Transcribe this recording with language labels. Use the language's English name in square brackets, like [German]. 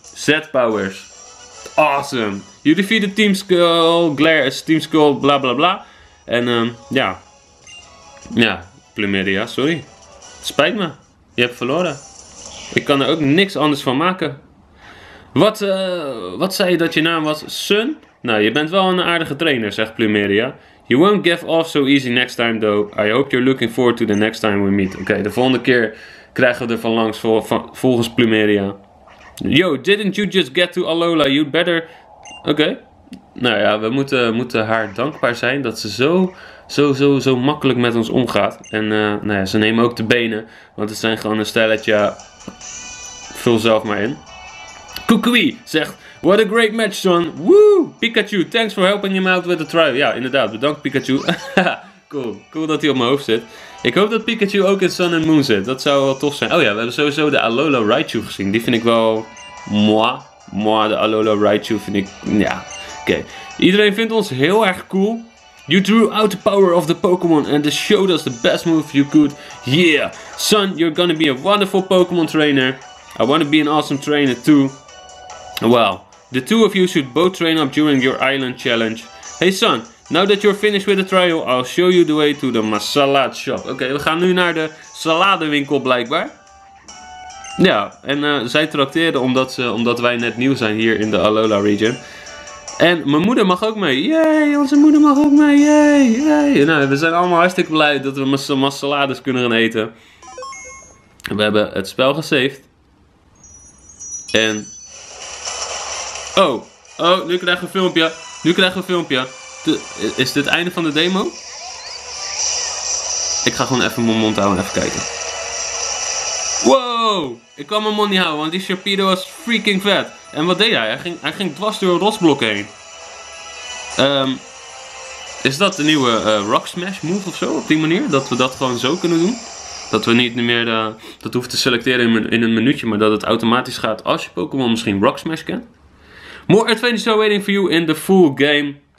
[English] Z-powers. Awesome. You defeated Team Skull. Glare is Team Skull. Bla bla bla. En ja. Ja. Plumeria, sorry. [Dutch] Het spijt me. Je hebt verloren. Ik kan er ook niks anders van maken. Wat zei je dat je naam was? Sun? Nou, je bent wel een aardige trainer, zegt Plumeria. [English] You won't give off so easy next time though. I hope you're looking forward to the next time we meet. [Dutch] Oké, de volgende keer krijgen we er van langs volgens Plumeria. [English] Yo, didn't you just get to Alola? You'd better... Oké. [Dutch] Nou ja, we moeten haar dankbaar zijn dat ze zo makkelijk met ons omgaat. En nou ja, ze nemen ook de benen. Want het zijn gewoon een stelletje... Vul zelf maar in. Kukui zegt, [English] what a great match, son. Woo, Pikachu, thanks for helping him out with the trial. [Dutch] Ja, inderdaad, bedankt Pikachu. cool dat hij op mijn hoofd zit. Ik hoop dat Pikachu ook in Sun and Moon zit. Dat zou wel tof zijn. Oh ja, we hebben sowieso de Alola Raichu gezien. Die vind ik wel mooi. Mooi, de Alola Raichu vind ik, ja. Oké. Iedereen vindt ons heel erg cool. [English] You drew out the power of the Pokémon and this showed us the best move you could. Yeah, son, you're gonna be a wonderful Pokémon trainer. I want to be an awesome trainer too. Well, the two of you should both train up during your island challenge. Hey son, now that you're finished with the trial, I'll show you the way to the masalad shop. [Dutch] Oké, we gaan nu naar de saladewinkel blijkbaar. Ja, en zij trakteerden omdat wij net nieuw zijn hier in de Alola region. En mijn moeder mag ook mee. Yay, onze moeder mag ook mee. Yay. Nou, we zijn allemaal hartstikke blij dat we masalades kunnen gaan eten. We hebben het spel gesaved. En... Oh, nu krijgen we een filmpje. Is dit het einde van de demo? Ik ga gewoon even mijn mond houden en even kijken. Wow, ik kan mijn mond niet houden, want die Sharpedo was freaking vet. En wat deed hij? Hij ging dwars door een rotsblok heen. Is dat de nieuwe Rock Smash move of zo? Op die manier? Dat we dat gewoon zo kunnen doen? Dat we niet meer dat hoeven te selecteren in een minuutje, maar dat het automatisch gaat als je Pokémon misschien Rock Smash kent? [English] More adventures are waiting for you in the full game.